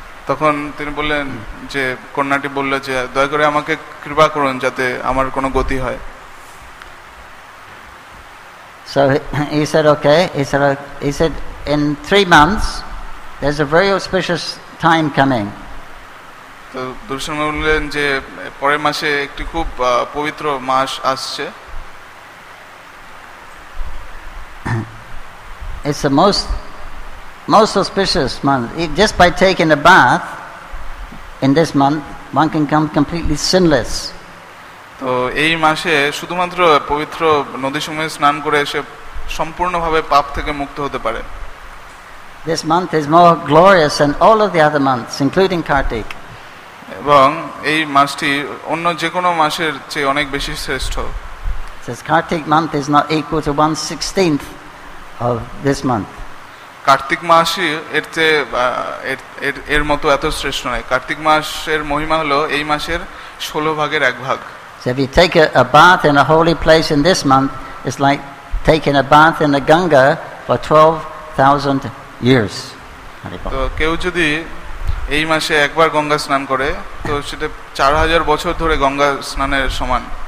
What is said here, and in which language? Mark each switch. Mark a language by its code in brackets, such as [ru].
[bn] তখন তিনি বললেন যে কন্যাটি বলল যে দয়া করে আমাকে কৃপা করুন যাতে আমার কোনো গতি হয়. [en] So he said, okay. He said, in 3 months, there's a very auspicious time coming. [bn] So Durshan বললেন যে পরের মাসে একটি খুব পবিত্র মাস আসছে. [en] It's the most auspicious month. Just by taking a bath in this month, one can come completely sinless. [bn] তো এই মাসে শুধুমাত্র পবিত্র নদী সময়ে স্নান করে সে সম্পূর্ণভাবে পাপ থেকে মুক্ত হতে পারে. [en] This month is more glorious than all of the other months, including Kartik. [bn] এবং এই মাসটি অন্য যে কোনো মাসের চেয়ে অনেক বেশি শ্রেষ্ঠ. [en] Since Kartik month is not equal to 1/16th of this month. [bn] Kartik মাসই এর চেয়ে এর মতো এত শ্রেষ্ঠ নয়. কার্তিক মাসের মহিমা হলো এই মাসের 16 ভাগের এক ভাগ. [en] So if you take a bath in a holy place in this month, it's like taking a bath in the Ganga for 12,000 years. [bn] তো কেউ যদি এই মাসে একবার গঙ্গা স্নান করে তো সেটা 4,000 বছর ধরে গঙ্গা স্নানের সমান.